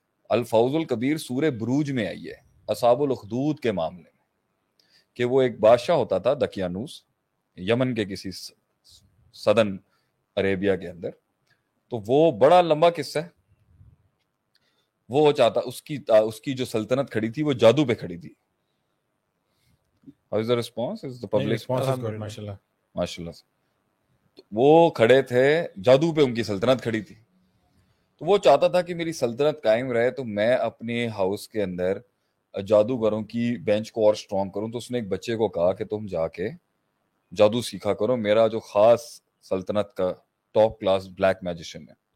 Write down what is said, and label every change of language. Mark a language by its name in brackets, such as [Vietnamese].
[Urdu] الفوز الکبیر سورہ بروج میں آئی ہے اصحاب الاخدود کے معاملے میں, کہ وہ ایک بادشاہ ہوتا تھا دقیانوس یمن کے کسی سدن عربیہ کے اندر, تو وہ بڑا لمبا قصہ ہے. وہ چاہتا اس کی جو سلطنت کھڑی تھی وہ جادو پہ کھڑی تھی. [English] How is the response? Is the public response is good, ماشاءاللہ. [Urdu] وہ کھڑے تھے جادو پہ, ان کی سلطنت کھڑی تھی, تو وہ چاہتا تھا کہ میری سلطنت قائم رہے تو میں اپنے ہاؤس کے اندر جادوگروں کی بینچ کو اور اسٹرانگ کروں. تو اس نے ایک بچے کو کہا کہ تم جا کے جادو سیکھا کرو, میرا جو خاص سلطنت کا ٹاپ کلاس بلیک میجیشن ہے.